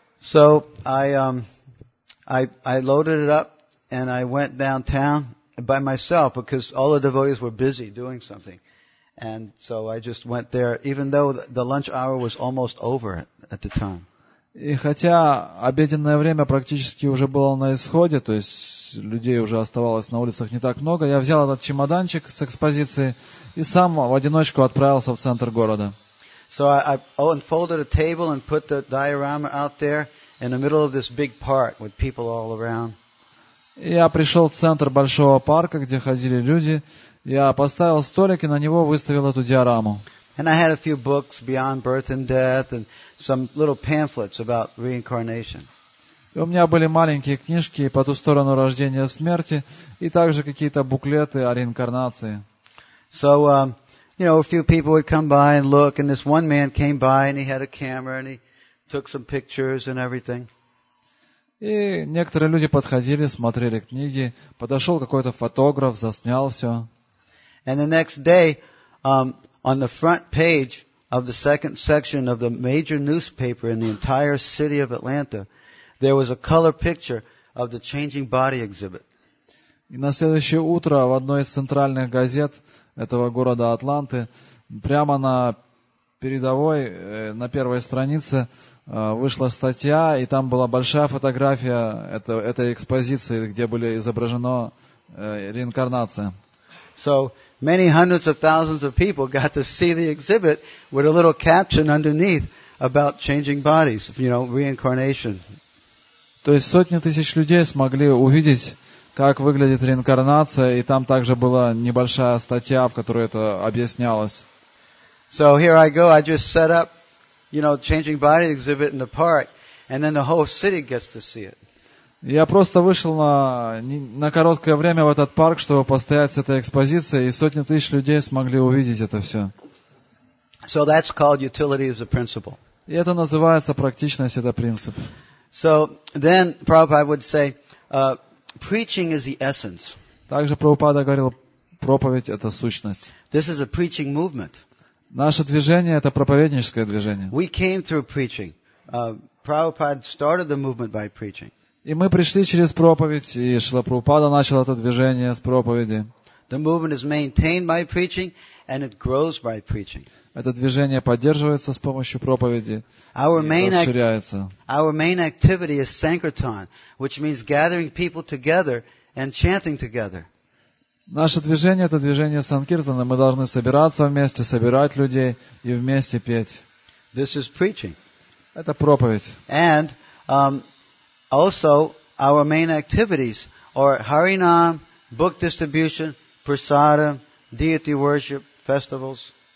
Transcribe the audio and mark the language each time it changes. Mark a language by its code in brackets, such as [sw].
[en] So I loaded it up. And I went downtown by myself because all the devotees were busy doing something. And so I just went there, even though the lunch hour was almost over at the time. [ru] И хотя обеденное время практически уже было на исходе, то есть людей уже оставалось на улицах не так много, я взял этот чемоданчик с экспозиции и сам в одиночку отправился в центр города. [en] So I unfolded a table and put the diorama out there in the middle of this big park with people all around. [ru] Я пришел в центр большого парка, где ходили люди. Я поставил столик и на него выставил эту диораму. [en] And I had a few books, Beyond Birth and Death, and some little pamphlets about reincarnation. [ru] И у меня были маленькие книжки «По ту сторону рождения и смерти» и также какие-то буклеты о реинкарнации. [en] So, you know, a few people would come by and look, and this one man came by and he had a camera and he took some pictures and everything. [ru] И некоторые люди подходили, смотрели книги. Подошел какой-то фотограф, заснял все. [en] And the next day, on the front page of the second section of the major newspaper in the entire city of Atlanta, there was a color picture of the changing body exhibit. [ru] И на следующее утро в одной из центральных газет этого города Атланты, прямо на передовой, на первой странице, вышла статья, и там была большая фотография этой экспозиции, где были изображены реинкарнации. [en] So many hundreds of thousands of people got to see the exhibit with a little caption underneath about changing bodies, you know, reincarnation. [ru] То есть сотни тысяч людей смогли увидеть, как выглядит реинкарнация, и там также была небольшая статья, в которой это объяснялось. [en] So here I go, I just set up, you know, changing body exhibit in the park, and then the whole city gets to see it. [ru] Я просто вышел на короткое время в этот парк, чтобы постоять с этой экспозицией, и сотни тысяч людей смогли увидеть это все. [en] So that's called utility as a principle. [ru] И это называется практичность, это принцип. [en] So then Prabhupada would say, preaching is the essence. [ru] Также Прабхупада говорил, проповедь это сущность. [en] This is a preaching movement. [ru] Наше движение это проповедническое движение. [en] We came through preaching. Prabhupada started the movement by preaching. [ru] И мы пришли через проповедь, и Шрила Прабхупада начал это движение с проповеди. [en] The movement is maintained by preaching, and it grows by preaching. [ru] Это движение поддерживается с помощью проповеди и расширяется. [en] Our main activity is sankirtan, which means gathering people together and chanting together. [ru] Наше движение — это движение санкиртана. Мы должны собираться вместе, собирать людей и вместе петь. [en] This is preaching. [ru] Это проповедь. [en] And also, our main activities are Harinam, book distribution, prasadam, deity worship, festivals.